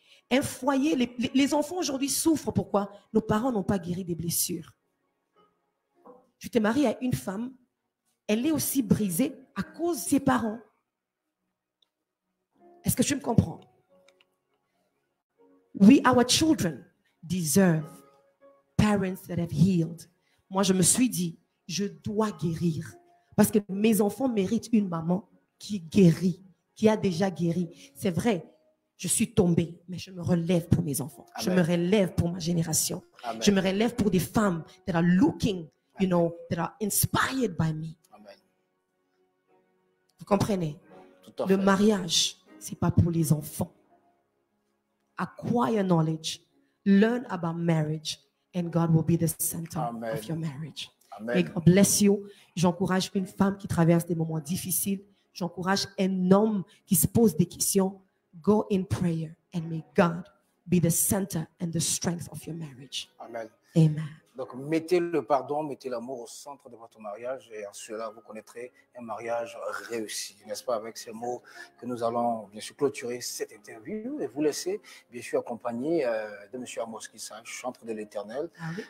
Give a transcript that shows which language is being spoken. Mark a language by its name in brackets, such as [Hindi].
[French] Un foyer, les enfants aujourd'hui souffrent. Pourquoi? Nos parents n'ont pas guéri des blessures. Tu t'es marié à une femme, elle est aussi brisée à cause de ses parents. Est-ce que tu me comprends? [English] We, our children, deserve parents that have healed. [French] Moi, je me suis dit, je dois guérir. Parce que mes enfants méritent une maman qui guérit, qui a déjà guéri. C'est vrai, Je suis tombée, mais je me relève pour mes enfants. Amen. Je me relève pour ma génération. Amen. Je me relève pour des femmes [English] that are looking, you know, that are inspired by me. Amen. [French] Vous comprenez? Tout à fait. Le mariage, ce n'est pas pour les enfants. [English] Acquire knowledge. Learn about marriage. And God will be the center Amen. Of your marriage. Amen. May God bless you. [French] J'encourage une femme qui traverse des moments difficiles. J'encourage un homme qui se pose des questions. [English] Go in prayer and may God be the center and the strength of your marriage. Amen. Amen. [French] Donc, mettez le pardon, mettez l'amour au centre de votre mariage et en cela, vous connaîtrez un mariage réussi. N'est-ce pas avec ces mots que nous allons, bien sûr, clôturer cette interview et vous laisser, bien sûr, accompagné de M. Amos Kissage, chantre de l'Éternel. Ah oui.